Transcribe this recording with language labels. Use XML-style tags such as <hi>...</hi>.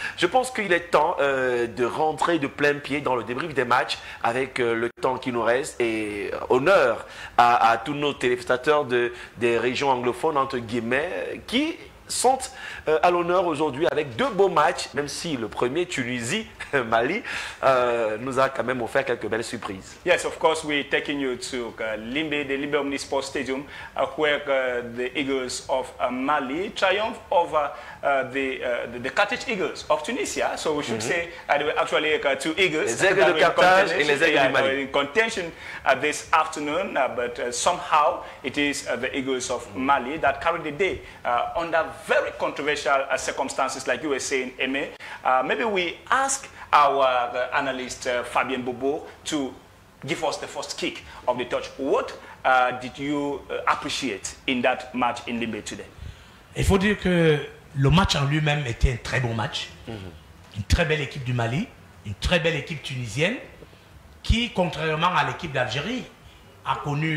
<fr>Je pense qu'il est temps de rentrer de plein pied dans le débrief des matchs avec le temps qui nous reste. Et honneur à tous nos téléspectateurs des régions anglophones, entre guillemets, qui sont à l'honneur aujourd'hui avec deux beaux matchs, même si le premier, Tunisie, Mali, nous a quand même offert quelques belles surprises.</fr> <en>Yes, of course, we're taking you to Limbe, the Limbe Omni Sports Stadium, where the Eagles of Mali triumph over the Carthage Eagles of Tunisia. So we should say there were actually two Eagles.</en> <fr>Les Aigles de Carthage et les Aigles du Mali.</fr> <en>In contention this afternoon, but somehow it is the Eagles of Mali that carried the day under very controversial circumstances, like you were saying, Aimé. Maybe we ask our analyst Fabien Bobo to give us the first kick of the touch. What did you appreciate in that match in Limbe today?</en> <fr>Il faut dire que le match en lui-même était un très bon match. Une très belle équipe du Mali, une très belle équipe tunisienne qui, contrairement à l'équipe d'Algérie, a connu...</fr>